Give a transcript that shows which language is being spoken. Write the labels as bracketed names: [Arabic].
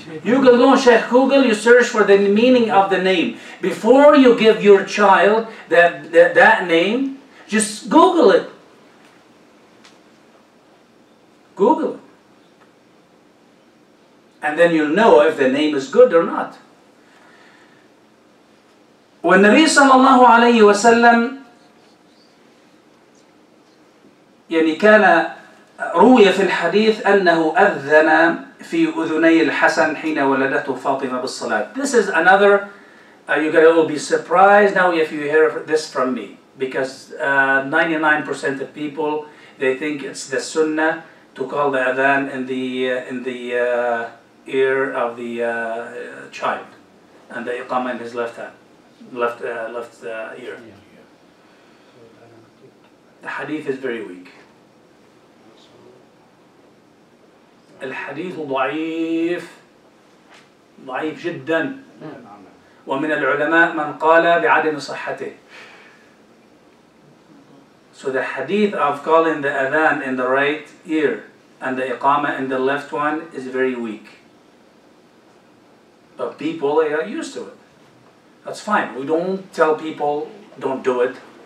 [English] You can go on Sheikh Google, you search for the meaning of the name. Before you give your child that name, just Google it. Google it. And then you'll know if the name is good or not. When Nabi sallallahu alayhi wa sallam [Arabic] يعني كان روي في الحديث أنه أذن في أذني الحسن حين ولدته فاطمة بالصلاة. [English] This is another, you guys will be surprised now if you hear this from me. Because 99% of people, they think it's the sunnah to call the adhan in the ear of the child. And the iqama in his left hand, left ear. The hadith is very weak. [Arabic] الحديث ضعيف ضعيف جدا ومن العلماء من قال بعدم صحته. [English] So the hadith of calling the adhan in the right ear and the iqama in the left one is very weak. But people, they are used to it. That's fine. We don't tell people don't do it.